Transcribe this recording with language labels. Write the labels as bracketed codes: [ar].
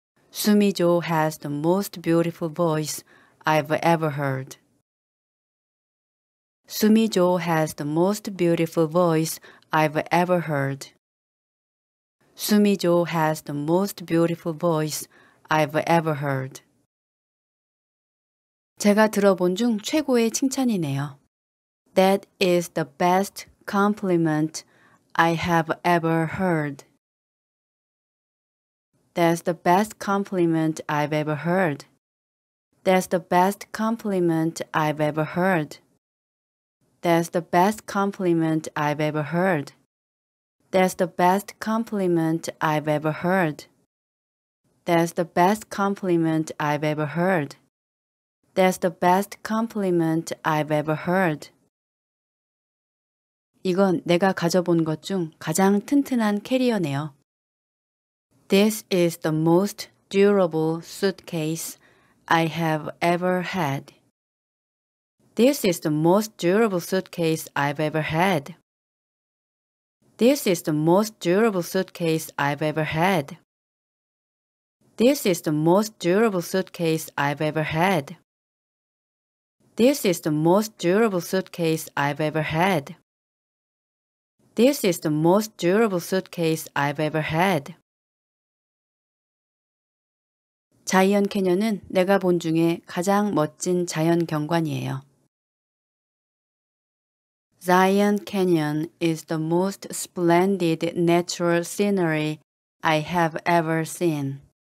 [en] Sumijo has the most beautiful voice I've ever heard. Sumijo has the most beautiful voice I've ever heard. Sumijo has the most beautiful voice I've ever heard. [ko] 제가 들어본 중 최고의 칭찬이네요. [en] That is the best compliment I have ever heard. That's the best compliment I've ever heard. That's the best compliment I've ever heard. That's the best compliment I've ever heard. That's the best compliment I've ever heard. That's the best compliment I've ever heard. That's the best compliment I've ever heard. [ko] 이건 내가 가져본 것 중 가장 튼튼한 캐리어네요. [en] This is the most durable suitcase I have ever had. This is the most durable suitcase I've ever had. This is the most durable suitcase I've ever had. This is the most durable suitcase I've ever had. This is the most durable suitcase I've ever had. This is the most durable suitcase I've ever had. [ko] 자이언 캐년은 내가 본 중에 가장 멋진 자연 경관이에요. [en] Zion Canyon is the most splendid natural scenery I have ever seen.